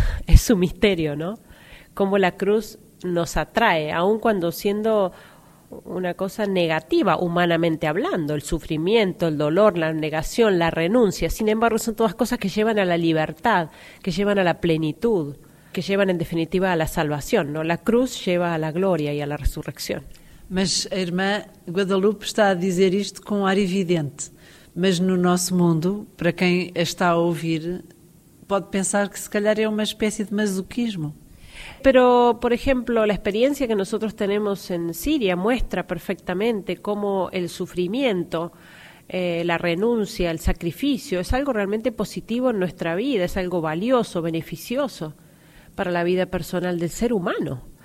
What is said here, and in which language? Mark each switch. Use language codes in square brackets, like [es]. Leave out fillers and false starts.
[es] Es su misterio, ¿no? Cómo la cruz nos atrae, aun cuando siendo una cosa negativa, humanamente hablando, el sufrimiento, el dolor, la negación, la renuncia. Sin embargo, son todas cosas que llevan a la libertad, que llevan a la plenitud, que llevan en definitiva a la salvación, ¿no? La cruz lleva a la gloria y a la resurrección. [pt] Mas a irmã Guadalupe está a dizer isto com ar evidente. Mas no nosso mundo, para quem está a ouvir, pode pensar que se calhar é uma espécie de masoquismo. [es] Pero, por ejemplo, la experiencia que nosotros tenemos en Siria muestra perfectamente cómo el sufrimiento, la renuncia, el sacrificio, es algo realmente positivo en nuestra vida, es algo valioso, beneficioso para la vida personal del ser humano.